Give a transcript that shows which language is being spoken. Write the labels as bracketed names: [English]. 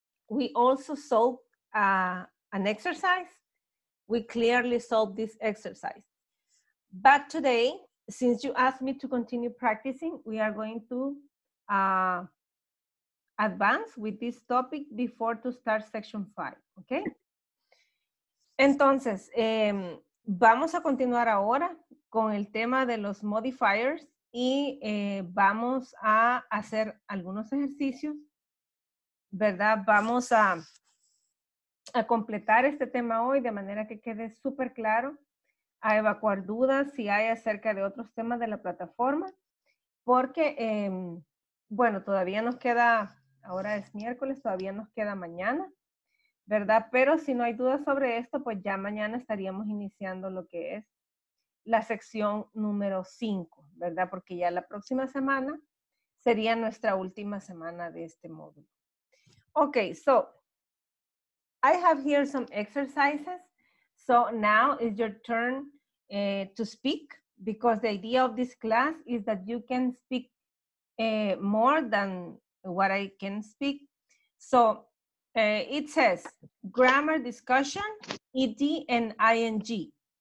[English] We also solved an exercise. We clearly solved this exercise. But today, since you asked me to continue practicing, we are going to advance with this topic before to start section 5, okay? [Spanish] Entonces, vamos a continuar ahora con el tema de los modifiers y vamos a hacer algunos ejercicios, ¿verdad? Vamos a completar este tema hoy de manera que quede súper claro, a evacuar dudas si hay acerca de otros temas de la plataforma, porque, bueno, todavía nos queda, ahora es miércoles, todavía nos queda mañana, ¿verdad? Pero si no hay dudas sobre esto, pues ya mañana estaríamos iniciando lo que es la sección número 5, ¿verdad? Porque ya la próxima semana sería nuestra última semana de este módulo. [English] Ok, so, I have here some exercises. So now is your turn to speak, because the idea of this class is that you can speak more than what I can speak. So it says grammar discussion, ED and ING.